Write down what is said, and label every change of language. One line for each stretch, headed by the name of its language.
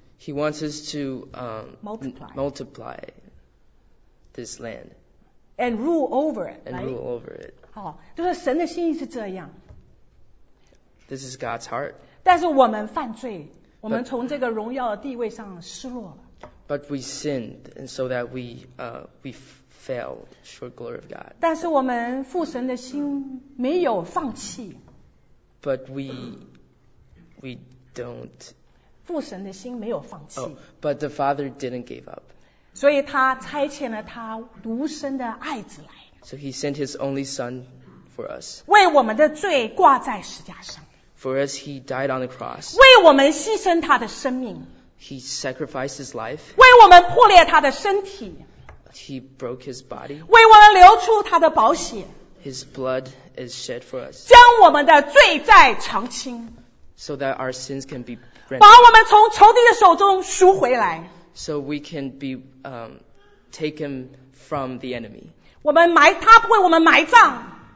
English: He wants us to multiply this land. And rule over it. And、 right? rule over it.
Chinese: 好，就是神的心意是这样。
English: This is God's heart.
Chinese: 但是我们犯罪，我们从这个荣耀的地位上失落了。
English: But we sinned, and so that we fell short glory of God.
Chinese: 但是我们父神的心没有放弃。
English: But we don't.
Chinese: 父神的心没有放弃。
English: Oh, but the Father didn't give up.
Chinese: 所以他差遣了他独生的爱子来。
English: So he sent his only son for us.
Chinese: 为我们的罪挂在十架上。
English: For us, he died on the cross.
Chinese: 为我们牺牲他的生命。
English: He sacrificed his life.
Chinese: 为我们破裂他的身体。
English: He broke his body.
Chinese: 为我们流出他的宝血。
English: His blood is shed for us.
Chinese: 将我们的罪债偿清。
English: So that our sins can be rendered.
Chinese: 把我们从仇敌的手中赎回来。
English: So we can be taken from the enemy.
Chinese: 我们埋他不为我们埋葬